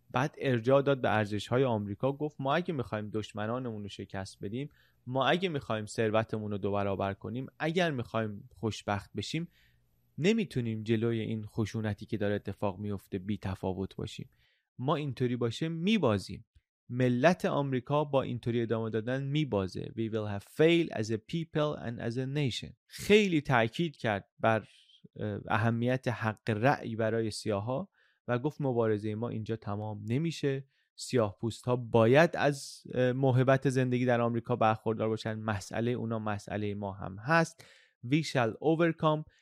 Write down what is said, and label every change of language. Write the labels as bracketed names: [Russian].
[Persian] بعد ارجاع داد به ارزش‌های آمریکا، گفت ما اگه می‌خوایم دشمنانمون رو شکست بدیم، ما اگه می‌خوایم ثروتمون رو دو برابر کنیم، اگر می‌خوایم خوشبخت بشیم، نمیتونیم جلوی این خشونتی که داره اتفاق میفته بی تفاوت باشیم. ما اینطوری باشه میبازیم، ملت آمریکا با اینطوری ادامه دادن میبازه. [English] We will have failed as a people and as a nation. [Persian] خیلی تاکید کرد بر اهمیت حق رأی برای سیاها و گفت مبارزه ما اینجا تمام نمیشه، سیاه پوست ها باید از موهبت زندگی در آمریکا برخوردار باشن، مسئله اونا مسئله ما هم هست. [English] We shall overcome.